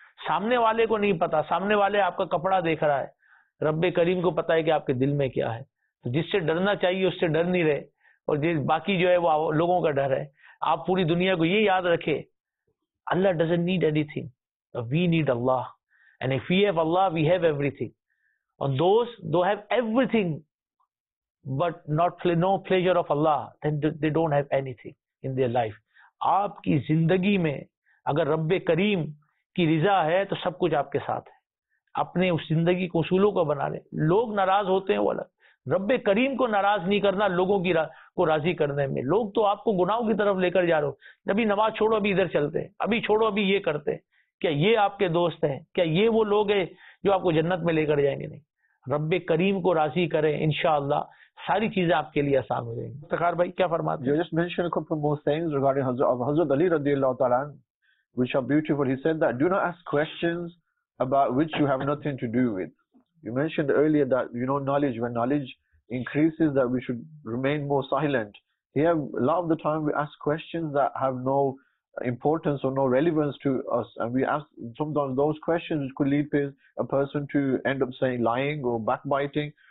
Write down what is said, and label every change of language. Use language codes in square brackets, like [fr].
[ur] سامنے والے کو نہیں پتا, سامنے والے آپ کا کپڑا دیکھ رہا ہے, رب کریم کو پتا ہے کہ آپ کے دل میں کیا ہے. تو جس سے ڈرنا چاہیے اس سے ڈر نہیں رہے, اور جس باقی جو ہے وہ لوگوں کا ڈر ہے. آپ پوری دنیا کو یہ یاد رکھے, [en] اللہ doesn't need anything, we need اللہ, and if we have اللہ we have everything. And those though have everything but not no pleasure of Allah, then they don't have anything in their life. [ur] آپ کی زندگی میں اگر رب کریم کی رضا ہے تو سب کچھ آپ کے ساتھ ہے. اپنے اس زندگی کو اصولوں کو بنا لیں. لوگ ناراض ہوتے ہیں وہ الگ, رب کریم کو ناراض نہیں کرنا لوگوں کی کو راضی کرنے میں. لوگ تو آپ کو گناہوں کی طرف لے کر جا رہے ہو, ابھی نماز چھوڑو ابھی ادھر چلتے ہیں, ابھی چھوڑو ابھی یہ کرتے ہیں. کیا یہ آپ کے دوست ہیں؟ کیا یہ وہ لوگ ہیں جو آپ کو جنت میں لے کر جائیں گے؟ نہیں. رب کریم کو راضی کریں, انشاءاللہ ساری چیزیں آپ کے لیے آسان ہو جائیں گی. افتخار بھائی کیا فرماتے ہیں؟ [en] Just mentioned a couple more things regarding حضرت علی رضی اللہ تعالیٰ عنہ, which are beautiful. He said that do not ask questions about which you have nothing to do with. You mentioned earlier that you know knowledge, when knowledge increases that we should remain more silent. Here, a lot of the time we ask questions that have no importance or no relevance to us, and we ask sometimes those questions which could lead a person to end up saying lying or backbiting.